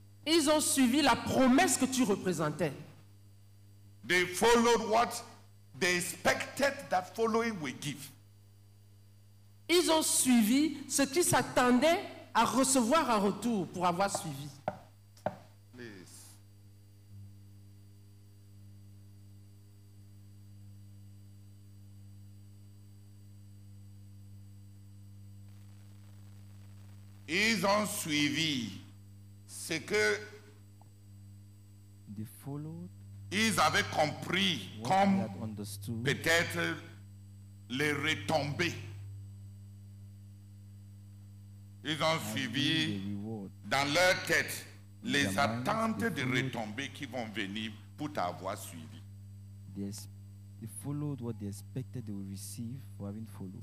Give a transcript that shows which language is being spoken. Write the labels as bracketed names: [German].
[French] Ils ont suivi la promesse que tu représentais. [English] They followed what they expected that following would give. [French] Ils ont suivi ce qu'ils s'attendaient à recevoir en retour pour avoir suivi. Ils ont suivi ce que [English] they followed, [French] ils avaient compris comme peut-être les retombées. Ils ont suivi dans leur tête les attentes de retombées qui vont venir pour t'avoir suivi. [English] They followed what they expected they would receive for having followed.